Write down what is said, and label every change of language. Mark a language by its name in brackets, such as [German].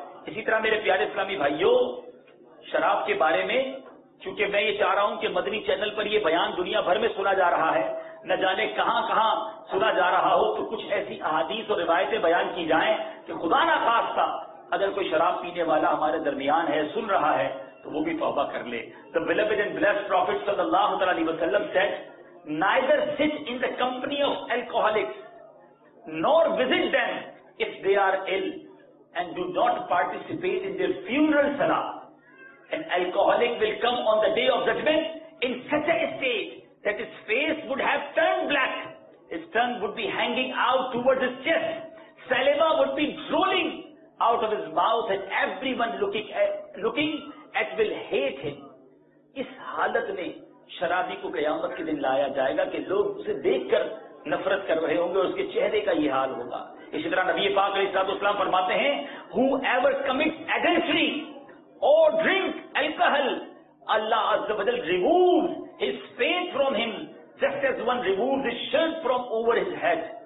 [Urdu] اسی طرح میرے پیارے اسلامی بھائیوں, شراب کے بارے میں چونکہ میں یہ چاہ رہا ہوں کہ مدنی چینل پر یہ بیان دنیا بھر میں سنا جا رہا ہے, نہ جانے کہاں کہاں سنا جا رہا ہو, تو کچھ ایسی احادیث اور روایتیں بیان کی جائیں کہ خدا نہ خواستہ اگر کوئی شراب پینے والا ہمارے درمیان ہے, سن رہا ہے, تو وہ بھی توبہ کر لے. [English] The beloved and blessed Prophet صلی اللہ علیہ وسلم said, neither sit in the company of alcoholics nor visit them if they are ill and do not participate in their funeral salah. An alcoholic will come on the day of judgment in such a state that his face would have turned black, his tongue would be hanging out towards his chest, saliva would be drooling out of his mouth and everyone looking at will hate him. [Urdu] اس حالت میں شرابی کو قیامت کے دن لایا جائے گا کہ لوگ اسے دیکھ کر نفرت کر رہے ہوں گے اور اس کے چہرے کا یہ حال ہوگا. اسی طرح نبی پاک علیہ الصلوۃ والسلام فرماتے ہیں, [English] whoever commits adultery or drink alcohol, Allah عز و جل removes his face from him just as one removes his shirt from over his head.